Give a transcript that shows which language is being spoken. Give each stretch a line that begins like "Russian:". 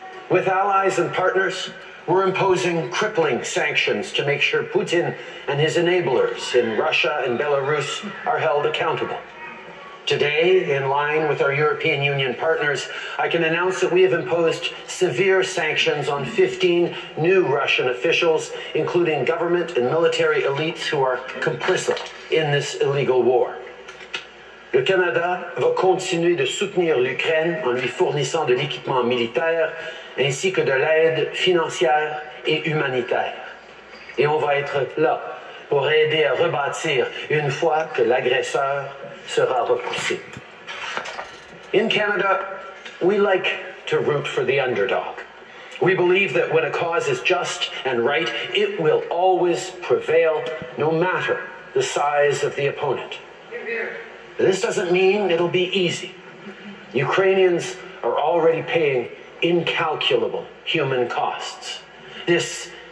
English: With allies and partners, we're imposing crippling sanctions to make sure Putin and his enablers in Russia and Belarus are held accountable. Today, in line with our European Union partners, I can announce that we have imposed severe sanctions on 15 new Russian officials, including government and military elites who are complicit in this illegal war.
French: Le Canada va continuer de soutenir l'Ukraine en lui fournissant de l'équipement militaire ainsi que de l'aide financière et humanitaire. Et on va être là pour aider à rebâtir une fois que l'agresseur sera repoussé.
English: In Canada, we like to root for the underdog. We believe that when a cause is just and right, it will always prevail, no matter the size of the opponent. This doesn't mean it'll be easy. Ukrainians are already paying incalculable human costs. This